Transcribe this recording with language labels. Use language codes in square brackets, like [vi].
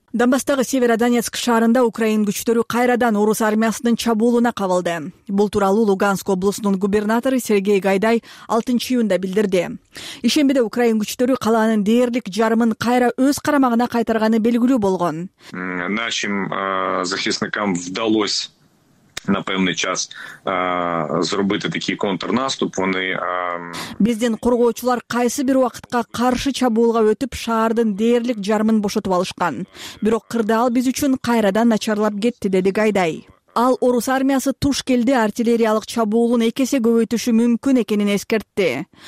[ky] Донбасстагы Северодонецк шаарында украин күчтөрү кайрадан орус армиясынын чабуулуна кабылды. Бул тууралуу Луганск облусунун губернатору Сергей Гайдай 6 июнда билдирди. Ишембиде украин күчтөрү калаанын дээрлик жарымын кайра өз карамагына кайтарганы белгилүү болгон. [uk] Нашим захисникам вдалось на певний час зробити такий контрнаступ. Вони [ky] биздин коргоочулар кайсы бир убакытка каршы чабуулга өтүп шаардын дээрлик жарымын бошотуп алышкан, бирок кырдаал биз үчүн кайрадан начарлап кетти, деди Гайдай. Ал орус армиясы туш келди артиллериялык чабуулун 2 эсе көбөйтүшү мүмкүн экенин эскертти.